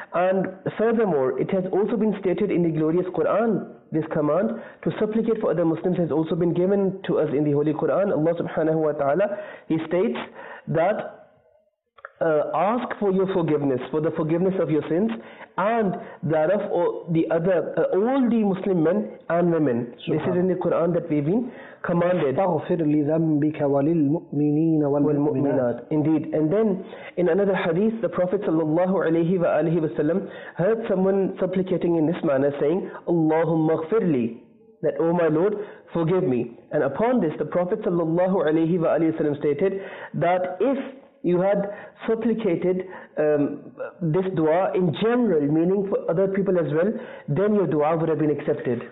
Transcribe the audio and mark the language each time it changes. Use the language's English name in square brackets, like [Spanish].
[English] And furthermore, it has also been stated in the glorious Quran, this command to supplicate for other Muslims has also been given to us in the Holy Quran. Allah subhanahu wa ta'ala, he states that ask for your forgiveness, for the forgiveness of your sins and that of all the Muslim men and women. This is in the Quran that we've been commanded. [Arabic] استغفر لذنبك وللمؤمنين والمؤمنات. [English] Indeed. And then in another hadith, the Prophet sallallahu alayhi wa alihi wa sallam heard someone supplicating in this manner saying, Allahumma [Arabic] اغفر لي, [English] that oh my Lord, forgive me. And upon this, the Prophet sallallahu alayhi wa alihi wa sallam stated that if you had supplicated this dua in general, meaning for other people as well, then your dua would have been accepted.